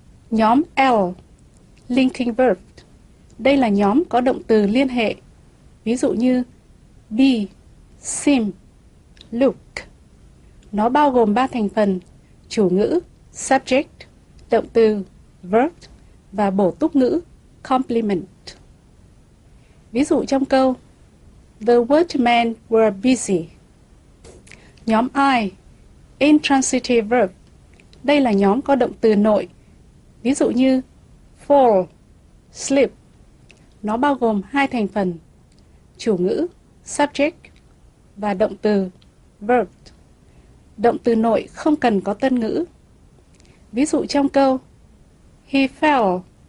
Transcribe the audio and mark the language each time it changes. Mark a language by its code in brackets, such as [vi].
[vi] Nhóm L, linking verb. Đây là nhóm có động từ liên hệ, ví dụ như be, seem, look. Nó bao gồm 3 thành phần: chủ ngữ, subject, động từ, verb, và bổ túc ngữ, complement. Ví dụ trong câu: [en] the workmen were busy. [vi] Nhóm I, intransitive verb. Đây là nhóm có động từ nội, ví dụ như fall, slip. Nó bao gồm 2 thành phần: chủ ngữ, subject, và động từ, verb. Động từ nội không cần có tân ngữ. Ví dụ trong câu: [en] he fell.